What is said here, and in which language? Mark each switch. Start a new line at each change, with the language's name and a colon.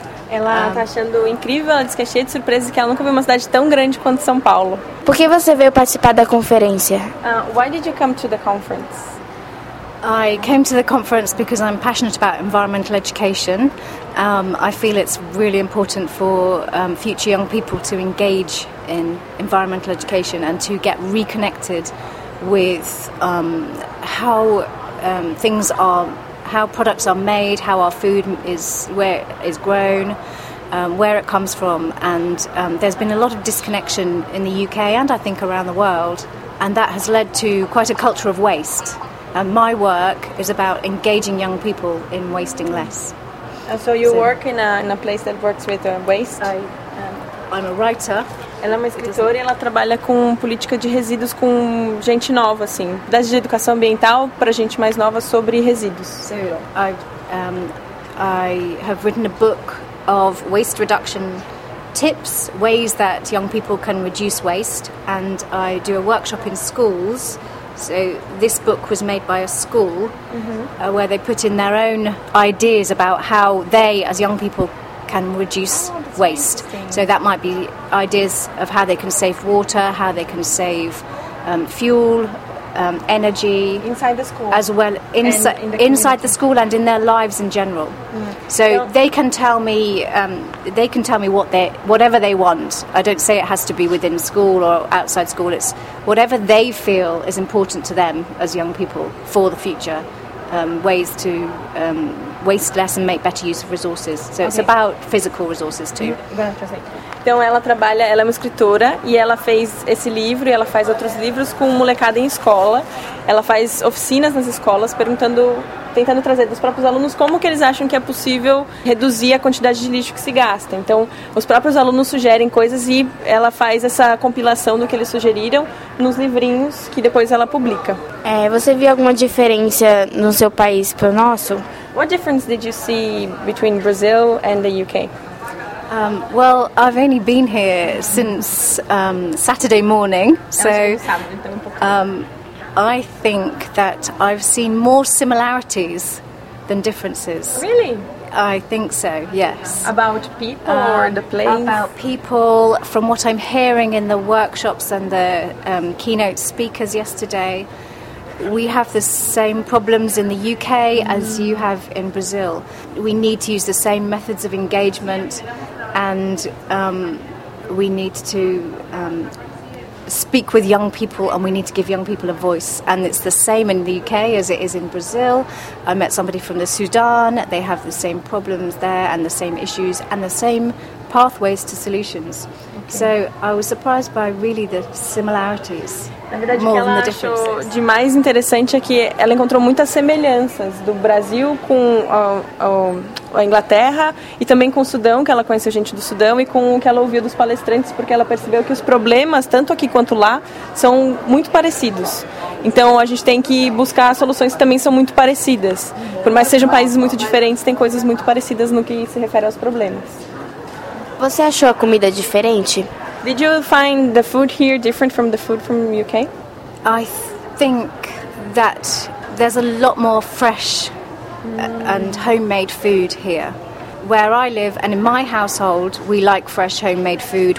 Portuguese: Ela tá achando incrível, ela diz que é cheia de surpresas, que ela nunca viu uma cidade tão grande quanto São Paulo. Por que você veio participar da conferência?
English: Why did you come to the conference? I came to the conference because I'm passionate about environmental education. I feel it's really important for future young people to engage in environmental education and to get reconnected with how products are made, how our food is, where it is grown, where it comes from. And there's been a lot of disconnection in the UK and I think around the world, and that has led to quite a culture of waste. And my work is about engaging young people in wasting less. So you work in a place that works with waste? I'm a writer.
Portuguese: Ela é uma escritora e ela trabalha com política de resíduos com gente nova, assim, desde educação ambiental para gente mais nova sobre resíduos.
English: I have written a book of waste reduction tips, ways that young people can reduce waste, and I do a workshop in schools. So this book was made by a school where they put in their own ideas about how they, as young people, can reduce waste. So that might be ideas of how they can save water, how they can save fuel, energy. Inside the school. As well, inside the school and in their lives in general. Mm. So they can tell me whatever they want. I don't say it has to be within school or outside school. It's whatever they feel is important to them as young people for the future. Ways to waste less and make better use of resources. So it's about physical resources too.
Portuguese: Então ela é uma escritora e ela fez esse livro e ela faz outros livros com molecada em escola. Ela faz oficinas nas escolas tentando trazer dos próprios alunos como que eles acham que é possível reduzir a quantidade de lixo que se gasta. Então os próprios alunos sugerem coisas e ela faz essa compilação do que eles sugeriram nos livrinhos que depois ela publica. Você viu alguma diferença no seu país para o nosso?
English: What difference did you see between Brazil and the UK? Well, I've only been here since Saturday morning, so I think that I've seen more similarities than differences. Really? I think so, yes. About people or the place? About people, from what I'm hearing in the workshops and the keynote speakers yesterday, we have the same problems in the UK as you have in Brazil. We need to use the same methods of engagement, and we need to speak with young people, and we need to give young people a voice. And it's the same in the UK as it is in Brazil. I met somebody from the Sudan. They have the same problems there and the same issues and the same pathways to solutions. Okay. So I was surprised by really the similarities.
Portuguese: Na verdade, o que ela achou de mais interessante é que ela encontrou muitas semelhanças do Brasil com a Inglaterra e também com o Sudão, que ela conheceu gente do Sudão, e com o que ela ouviu dos palestrantes, porque ela percebeu que os problemas, tanto aqui quanto lá, são muito parecidos. Então a gente tem que buscar soluções que também são muito parecidas. Por mais que sejam países muito diferentes, tem coisas muito parecidas no que se refere aos problemas. Você achou a comida diferente?
English: Did you find the food here different from the food from UK? I think that there's a lot more fresh and homemade food here. Where I live and in my household, we like fresh homemade food.